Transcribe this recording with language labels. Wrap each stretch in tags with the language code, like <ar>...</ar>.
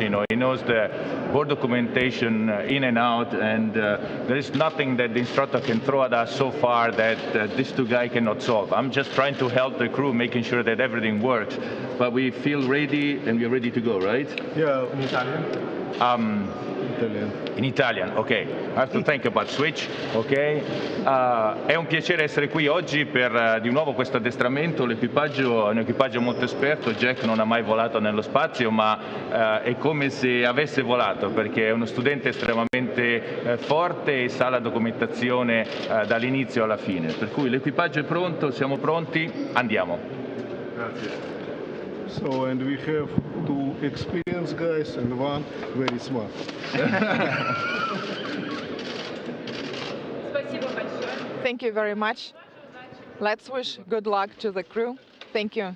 <en>You know, he knows the board documentation in and out, and there is nothing that the instructor can throw at us so far that these two guys cannot solve. I'm just trying to help the crew, making sure that everything works. But we feel ready, and we're ready to go, right? Yeah, in Italian. In Italian, okay. I have to think about switch, okay.</en> <it>È un piacere essere qui oggi per di nuovo questo addestramento. L'equipaggio è un equipaggio molto esperto. Jack non ha mai volato nello spazio, ma è come se avesse volato, perché è uno studente estremamente forte e sa la documentazione dall'inizio alla fine. Per cui l'equipaggio è pronto, siamo pronti, andiamo. Grazie.</it> <en>So, and we have two experienced guys and one very smart. Thank you very much. Let's wish good luck to the crew. Thank you.</en>